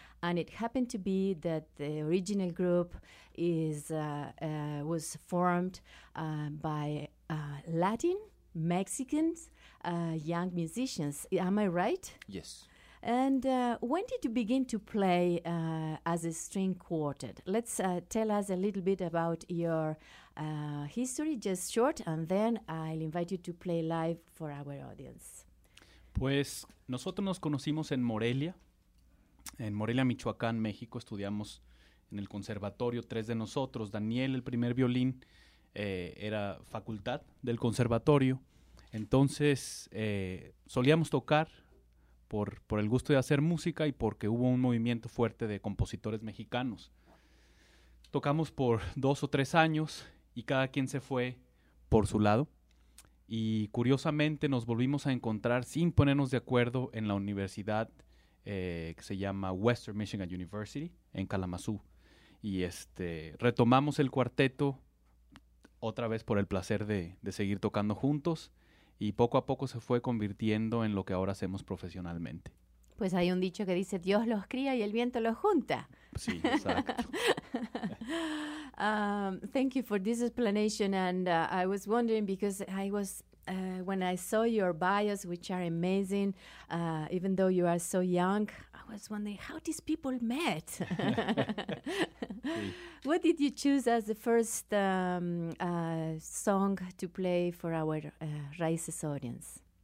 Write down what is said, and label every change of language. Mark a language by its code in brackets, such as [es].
[en] And it happened to be that the original group was formed by Latin, Mexicans, young musicians. Am I right? Yes. And when did you begin to play as a string quartet? Let's tell us a little bit about your history, just short, and then I'll invite you to play live for our audience. [es] Pues nosotros nos conocimos en Morelia, Michoacán, México. Estudiamos en el conservatorio, tres de nosotros. Daniel, el primer violín, era facultad del conservatorio. Entonces solíamos tocar por el gusto de hacer música y porque hubo un movimiento fuerte de compositores mexicanos. Tocamos por dos o tres años y cada quien se fue por su lado. Y curiosamente nos volvimos a encontrar sin ponernos de acuerdo en la universidad que se llama Western Michigan University en Kalamazoo. Y retomamos el cuarteto otra vez por el placer de seguir tocando juntos. Y poco a poco se fue convirtiendo en lo que ahora hacemos profesionalmente. Pues hay un dicho que dice, Dios los cría y el viento los junta. Sí, exacto. [en] thank you for this explanation. And I was wondering, because I was, when I saw your bios, which are amazing, even though you are so young, I was wondering how these people met. [es] Sí. [en] What did you choose as the first song to play for our Raíces audience?